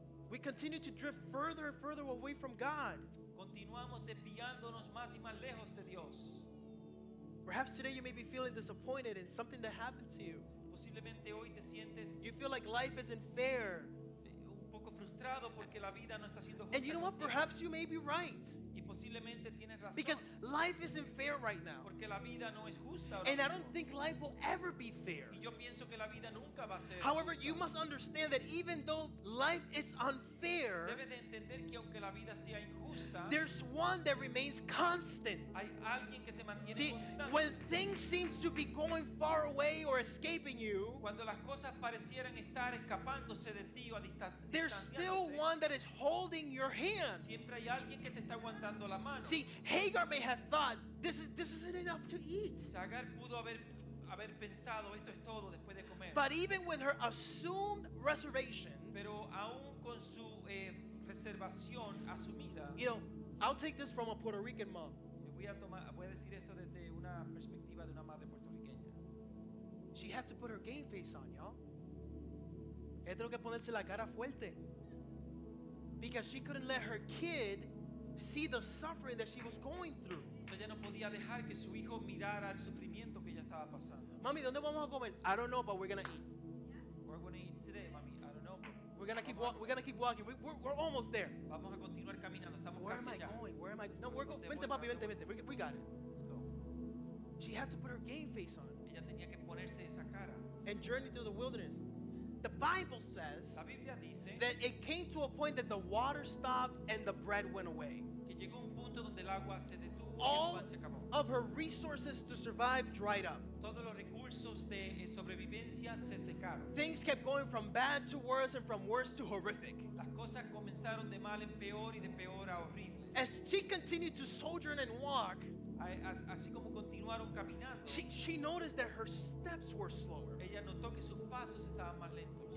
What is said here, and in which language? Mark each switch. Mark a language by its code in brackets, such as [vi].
[en] We continue to drift further and further away from God. [es] Continuamos desviándonos más y más lejos de Dios. [en] Perhaps today you may be feeling disappointed in something that happened to you. [es] Posiblemente hoy te sientes. [en] You feel like life isn't fair. [es] Un poco frustrado porque la vida no está siendo justa. [en] And you know what? Perhaps you may be right. [es] Y [en] Because life isn't fair right now. [es] Porque la vida no es justa [en] ahora mismo. And I don't think life will ever be fair. [es] Y yo pienso que la vida nunca va a ser [en] However, [es] justa. [en] You must understand that even though life is unfair, [es] Debe de entender que aunque la vida sea injusta, [en] there's one that remains constant. [es] Hay alguien que se mantiene [en] See, [es] constante. [en] When things seem to be going far away or escaping you, [es] cuando las cosas parecieran estar escapándose de ti o [en] there's still one that is holding your hand. [es] Siempre hay alguien que te está aguantando la mano. [en] See, Hagar may have thought this isn't enough to eat. [es] Hagar pudo haber pensado esto es todo después de comer. [en] But even with her assumed reservations, [es] pero aún con su reservación asumida, [en] you know, I'll take this from a Puerto Rican mom. [es] Voy a decir esto desde una perspectiva de una madre puertorriqueña. [en] She had to put her game face on, y'all. [es] Ella tuvo que ponerse la cara fuerte. [en] Because she couldn't let her kid see the suffering that she was going through. [es] Ella no podía dejar que su hijo mirara el sufrimiento que ella estaba pasando. Mami, ¿dónde vamos a comer? [en] I don't know, but we're gonna eat. We're gonna eat today, mommy. I don't know. We're gonna keep walking. We're almost there. [es] Vamos a continuar caminando. Estamos [en] Where [es] casi [en] am I [es] ya. [en] Going? Where am I? No, we're going. [es] Vente, papi, vente, vente. [en] We got it. Let's go. She had to put her game face on. [es] Ella tenía que ponerse esa cara. [en] And journey through the wilderness. The Bible says [es] La Biblia dice [en] that it came to a point that the water stopped and the bread went away. [es] Que llegó un punto donde el agua se detuvo [en] All [es] y el pan se acabó. [en] Of her resources to survive dried up. [es] Todos los recursos de sobrevivencia se secaron. [en] Things kept going from bad to worse and from worse to horrific. [es] Las cosas comenzaron de mal en peor y de peor a horrible. [en] As she continued to sojourn and walk, [es] así como continuaron caminando, [en] she noticed that her steps were slower. [es] Ella notó que sus pasos estaban más lentos.